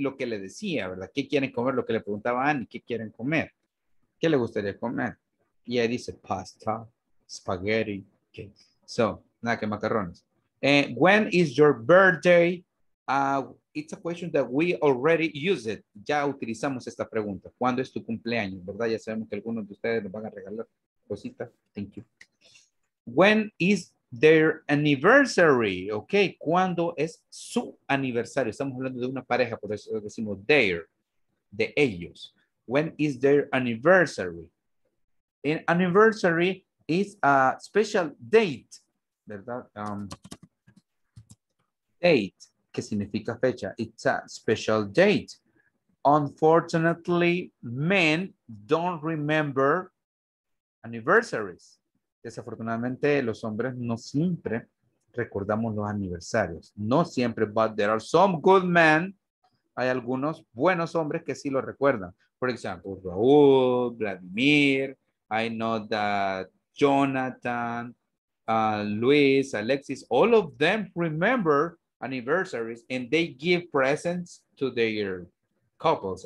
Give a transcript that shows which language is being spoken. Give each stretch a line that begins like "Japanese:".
Spanish: Lo que le decía, ¿verdad? ¿Qué quieren comer? Lo que le preguntaba Annie. ¿Qué quieren comer? ¿Qué le gustaría comer? Y ahí dice pasta, spaghetti. Okay. So, nada que macarrones.
English: When is your birthday? It's a question that we already use it.
Spanish: Ya utilizamos esta pregunta. ¿Cuándo es tu cumpleaños? ¿Verdad? Ya sabemos que algunos de ustedes nos van a regalar cositas.
English: Thank you. When is their anniversary?
Spanish: Okay, ¿cuándo es su aniversario? Estamos hablando de una pareja, por eso decimos their, de ellos.
English: When is their anniversary? An anniversary is a special date,
Spanish: ¿verdad? Date, ¿qué significa fecha?
English: It's a special date. Unfortunately, men don't remember anniversaries.
Spanish: Desafortunadamente, los hombres no siempre recordamos los aniversarios. No siempre,
English: but there are some good men.
Spanish: Hay algunos buenos hombres que sí lo recuerdan.
English: For example, Raúl, Vladimir. I know that Jonathan, Luis, Alexis, all of them remember anniversaries and they give presents to their couples.